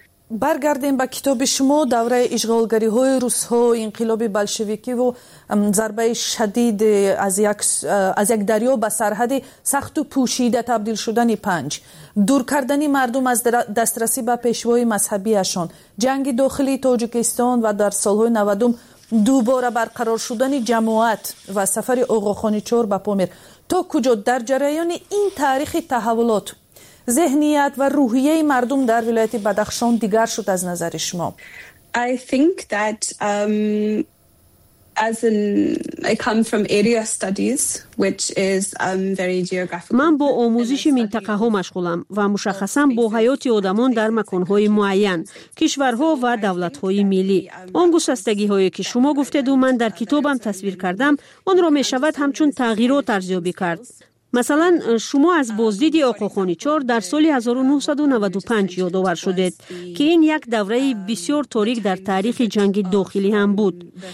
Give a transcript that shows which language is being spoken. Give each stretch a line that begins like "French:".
Persian: برگردیم به کتاب شما، دوره اشغالگری های روس ها، انقلاب بلشویکی و ضربه شدید از یک دریا به سرحد سخت و پوشیده تبدیل شدن پنج، دور کردن مردم از دسترسی به پیشوای مذهبیشان، جنگ داخلی تاجیکستان و در سالهای 90 دوباره برقرار شدن جماعت و سفر آقاخانی چور به پامیر، تا کجا در جریان این تاریخ تحولات ذهنیت و روحیه مردم در ولایت بدخشان دیگر شد از نظر شما؟
English: I think that I come from area studies, which is very geographical.
Persian: من با آموزش منطقه ها مشغولم و مشخصا با حیات آدمان در مکان های معین، کشورها و دولت های ملی. اون گسستگی هایی که شما گفتید و من در کتابم تصویر کردم، اون را می شود همچون تغییرات ارزیابی کرد. مثلا شما از بازدید آقاخانی چار در سال 1995 یادآور شدید که این یک دوره بسیار تاریک در تاریخ جنگ داخلی هم بود.